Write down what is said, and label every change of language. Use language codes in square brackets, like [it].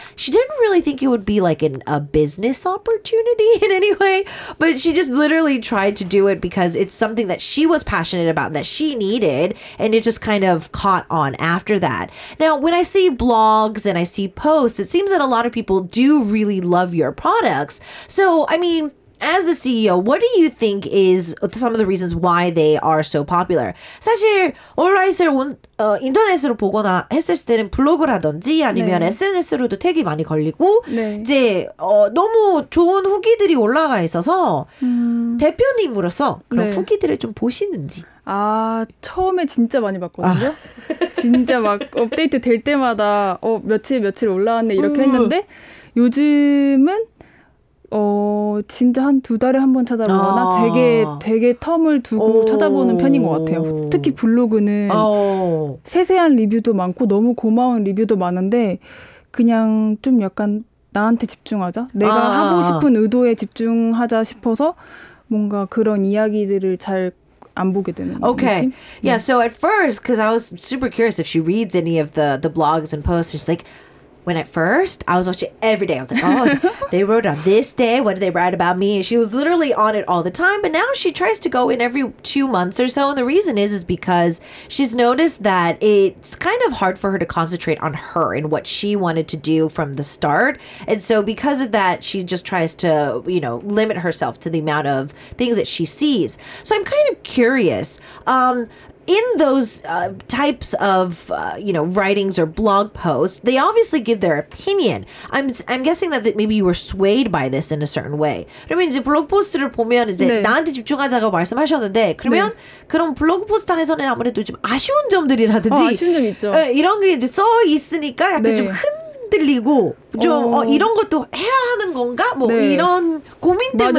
[en] She didn't really think it would be like a business opportunity in any way, but she just literally tried to do it because it's something that she was passionate about that she needed, and it just kind of caught on after that. Now, when I see blogs and I see posts, it seems that a lot of people do really love your products. So, I mean, As a CEO, what do you think is some of the reasons why they are so popular? [ko] 사실 온라인을 인터넷으로 보거나 했을 때는 블로그라든지 아니면 네. SNS로도 태그 많이 걸리고 네. 이제 너무 좋은 후기들이 올라가 있어서 대표님으로서 그런 네. 후기들을 좀 보시는지. 아, 처음에 진짜 많이 봤거든요. 아. 진짜 막 업데이트 될 때마다 며칠 올라왔네 이렇게 했는데 요즘은 진짜 한두 달에 한번 찾아보거나 되게 텀을 두고 찾아보는 편인 것 같아요. 특히 블로그는 세세한 리뷰도 많고 너무 고마운 리뷰도 많은데 그냥 좀 약간 나한테 집중하자. 내가 하고 싶은 의도에 집중하자 싶어서 뭔가 그런 이야기들을 잘 안 보게 되는 [en] okay. [ko] 느낌? [en] Yeah, so at first, because I was super curious if she reads any of the blogs and posts, she's like, when at first, I was watching every day. I was like, oh, they wrote on this day. What did they write about me? And she was literally on it all the time. But now she tries to go in every 2 months or so. And the reason is because she's noticed that it's kind of hard for her to concentrate on her and what she wanted to do from the start. And so because of that, she just tries to, you know, limit herself to the amount of things that she sees. So I'm kind of curious. In those types of, you know, writings or blog posts, they obviously give their opinion. I'm guessing that maybe you were swayed by this in a certain way. [ko] 그러면 이제 블로그 포스트를 보면 이제 네. 나한테 집중하자고 말씀하셨는데 그러면 네. 그런 블로그 포스트 안에서는 아무래도 좀 아쉬운 점들이라든지 아쉬운 점 있죠. 이런 게 이제 써 있으니까 약간 네. 좀 흔들리고 좀 이런 것도 해야 하는 건가? 뭐 네. 이런 고민 때문에